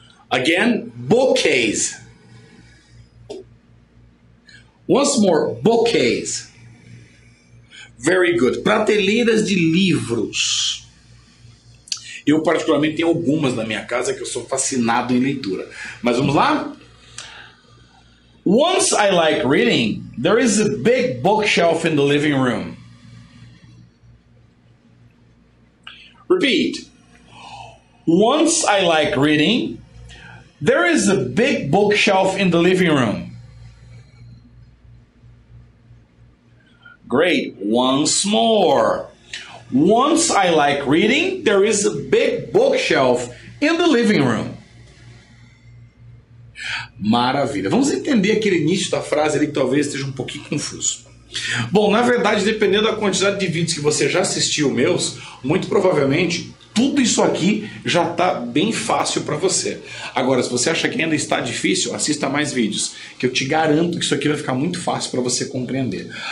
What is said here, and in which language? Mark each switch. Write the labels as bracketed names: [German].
[English] Again, bookcase. Once more, bookcase. Very good. [Portuguese] Prateleiras de livros. Eu particularmente tenho algumas na minha casa que eu sou fascinado em leitura. Mas vamos lá? [English] Once I like reading, there is a big bookshelf in the living room. Repeat. Once I like reading, there is a big bookshelf in the living room. Great. Once more. Once I like reading, there is a big bookshelf in the living room. [Portuguese] Maravilha. Vamos entender aquele início da frase ali que talvez esteja um pouquinho confuso. Bom, na verdade, dependendo da quantidade de vídeos que você já assistiu meus, muito provavelmente tudo isso aqui já está bem fácil para você. Agora, se você acha que ainda está difícil, assista mais vídeos, que eu te garanto que isso aqui vai ficar muito fácil para você compreender.